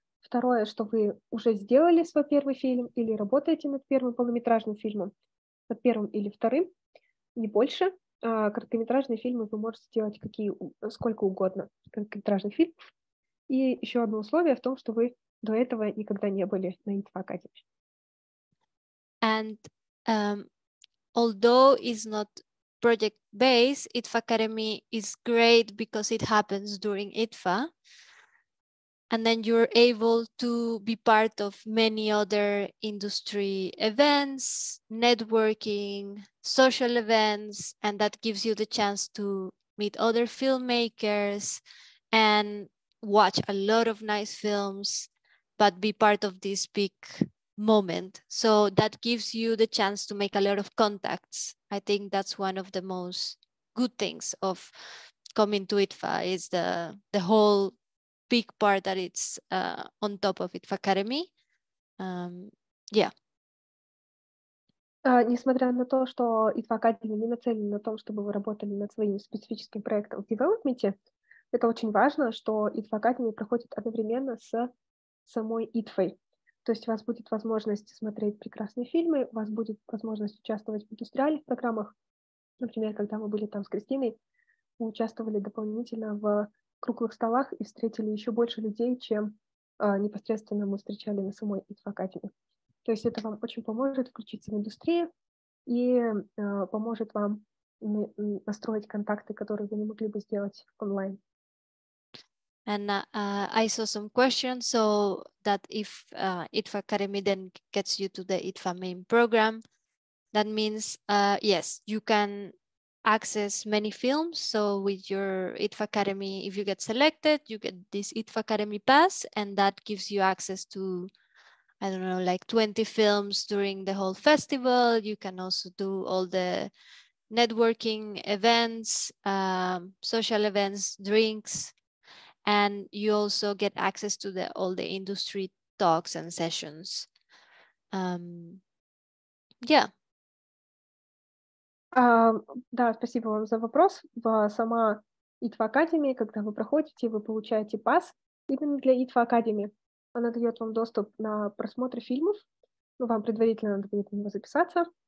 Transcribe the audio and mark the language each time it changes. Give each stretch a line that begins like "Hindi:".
Russian: Второе, что вы уже сделали свой первый фильм или работаете над первым полнометражным фильмом, над первым или вторым, не больше. Короткометражные фильмы вы можете делать какие, сколько угодно короткометражных фильмов. И еще одно условие в том, что вы до этого никогда не были на IDFAcademy.
English: And although it's not project-based, IDFAcademy is great because it happens during IDFA. And then you're able to be part of many other industry events, networking, social events, and that gives you the chance to meet other filmmakers and watch a lot of nice films, but be part of this big moment. So that gives you the chance to make a lot of contacts. I think that's one of the most good things of coming to IDFA is the whole big part that it's on top of IDFAcademy.
Russian: Несмотря на то, что IDFAcademy не нацелен на том, чтобы вы работали над своим специфическим проектом в девелопменте, это очень важно, что IDFAcademy проходит одновременно с самой IDFA. То есть у вас будет возможность смотреть прекрасные фильмы, у вас будет возможность участвовать в индустриальных программах. Например, когда мы были там с Кристиной, мы участвовали дополнительно в круглых столах и встретили еще больше людей, чем непосредственно мы встречали на самой IDFAcademy. То есть это вам очень поможет включиться в индустрию и поможет вам настроить контакты, которые вы не могли бы сделать онлайн.
English: And I saw some questions, so that if IDFAcademy then gets you to the IDFA main program, that means, yes, you can access many films. So with your IDFAcademy, if you get selected, you get this IDFAcademy pass, and that gives you access to, I don't know, like 20 films during the whole festival. You can also do all the networking events, social events, drinks. And you also get access to all the industry talks and sessions.
Russian: Да, спасибо вам за вопрос. В сама IDFAcademy, когда вы проходите, вы получаете пас именно для IDFAcademy. Она дает вам доступ на просмотр фильмов. Вам предварительно надо будет на него записаться.